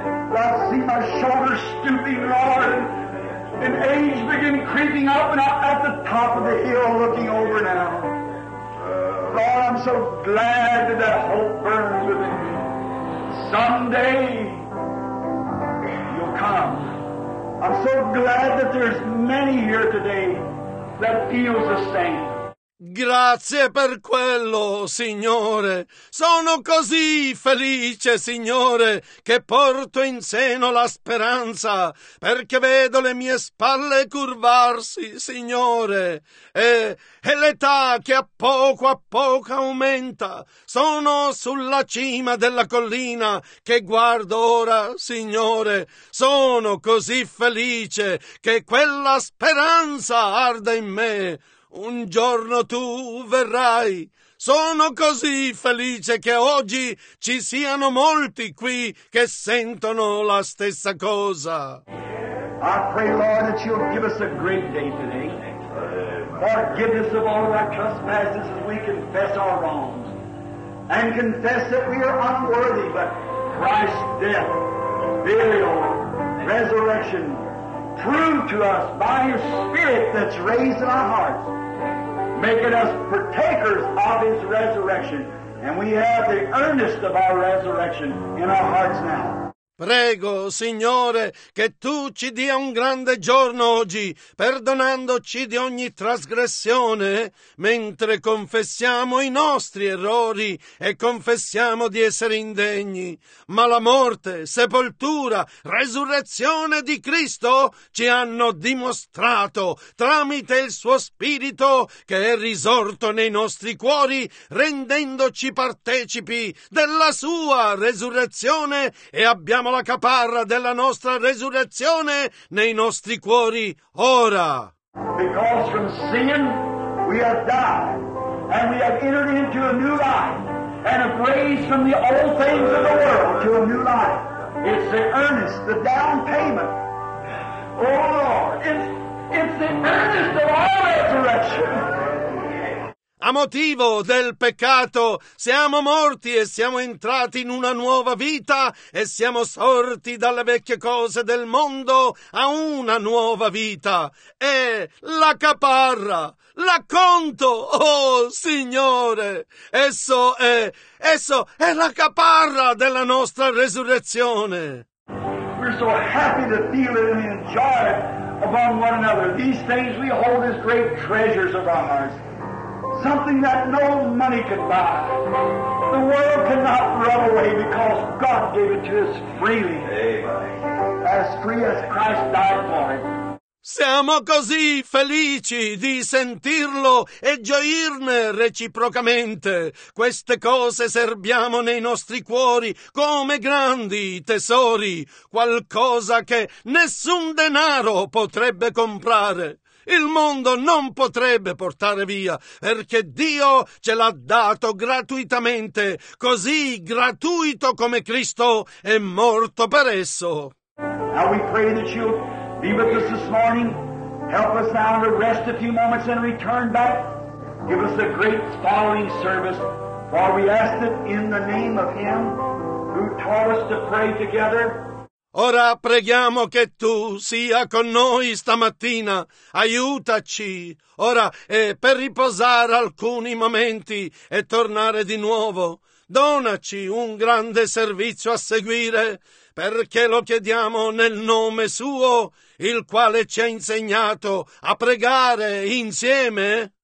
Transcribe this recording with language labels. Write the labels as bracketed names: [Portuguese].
[English] Well, I see my shoulders stooping, Lord, and age begin creeping up, and I'm at the top of the hill looking over now. Lord, I'm so glad that hope burns within me. Someday, you'll come. I'm so glad that there's many here today that feels the same. [Italian] Grazie per quello, Signore. Sono così felice, Signore, che porto in seno la speranza, perché vedo le mie spalle curvarsi, Signore. E l'età che a poco aumenta. Sono sulla cima della collina che guardo ora, Signore. Sono così felice che quella speranza arda in me. Un giorno tu verrai. Sono così felice che oggi ci siano molti qui che sentono la stessa cosa. [English] I pray, Lord, that you'll give us a great day today. Forgive us of all our trespasses as we confess our wrongs. And confess that we are unworthy, but Christ's death, burial, resurrection, prove to us by his Spirit that's raised in our hearts, making us partakers of his resurrection, and we have the earnest of our resurrection in our hearts now. [Italian] Prego, Signore, che tu ci dia un grande giorno oggi, perdonandoci di ogni trasgressione, mentre confessiamo i nostri errori e confessiamo di essere indegni. Ma la morte, sepoltura, resurrezione di Cristo ci hanno dimostrato, tramite il suo Spirito che è risorto nei nostri cuori, rendendoci partecipi della sua resurrezione, e abbiamo la caparra della nostra resurrezione nei nostri cuori ora. [English] Because from sin we have died, and we have entered into a new life, and have raised from the old things of the world to a new life. It's the earnest, the down payment. Oh Lord, it's the earnest of our resurrection. [Italian] A motivo del peccato siamo morti e siamo entrati in una nuova vita e siamo sorti dalle vecchie cose del mondo a una nuova vita. E la caparra, l'acconto, oh Signore, esso è la caparra della nostra resurrezione. [English] We're so happy to feel it and enjoy it upon one another. These things we hold as great treasures of ours. Something that no money could buy. The world cannot run away because God gave it to us freely. Amen. As free as Christ died for it. [Italian] Siamo così felici di sentirlo e gioirne reciprocamente. Queste cose serbiamo nei nostri cuori come grandi tesori, qualcosa che nessun denaro potrebbe comprare. Il mondo non potrebbe portare via, perché Dio ce l'ha dato gratuitamente, così gratuito come Cristo è morto per esso. [English] Now we pray that you'll be with us this morning. Help us now to rest a few moments and return back. Give us a great following service, for we ask it in the name of him who taught us to pray together. [Italian] Ora preghiamo che tu sia con noi stamattina, aiutaci ora per riposare alcuni momenti e tornare di nuovo. Donaci un grande servizio a seguire, perché lo chiediamo nel nome suo, il quale ci ha insegnato a pregare insieme.